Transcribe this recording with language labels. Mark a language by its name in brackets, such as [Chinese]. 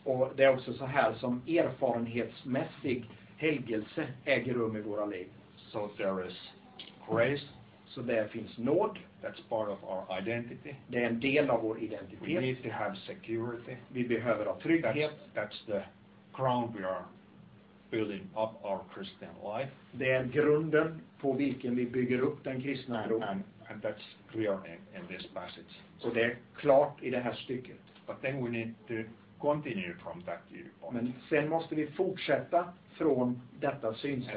[Swedish] Och det är också så här som erfarenhetsmässig helgelse äger rum i våra liv. [English] So there is grace. [Swedish] Så där finns nåd. [English] That's part of our identity. [Swedish] Det är en del av vår identitet. [English] We need to have security. [Swedish] Vi behöver ha trygghet. [English] That's the crown we are building up our Christian life. [Swedish] Det är grunden på vilken vi bygger upp den kristna tron. [English] And that's clear in this passage. [Swedish] Så det är klart i det här stycket. [English] But then we need to continue from that viewpoint. [Swedish] Men sen måste vi fortsätta från detta synsätt.